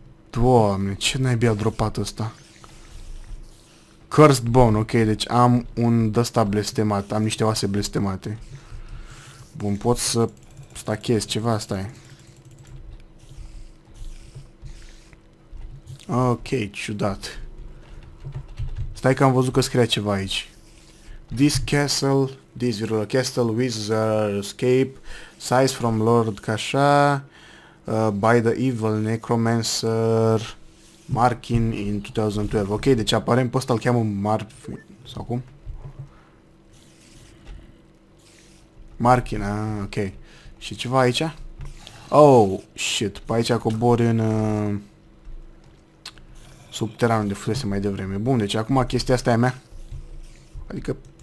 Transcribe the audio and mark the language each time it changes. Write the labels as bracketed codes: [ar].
[ro] Doamne, ce naibii a dropat ăsta? Cursed Bone, ok, deci am un d-asta blestemat, am niște oase blestemate. Bun, pot să stachez ceva, asta e. Ok, ciudat. Stai că am văzut că scria ceva aici. [en] This castle, this virtual castle, wizard escape, size from Lord Kasha, by the evil necromancer, Markin in 2012. [ro] Ok, deci aparent pe ăsta îl cheamă Marfin, sau cum? Markin, ok. Și ceva aici? [en] Oh, shit. [ro] Pe aici cobor în... subteran unde fusese mai devreme. Bun, deci acum chestia asta e a mea. Adică...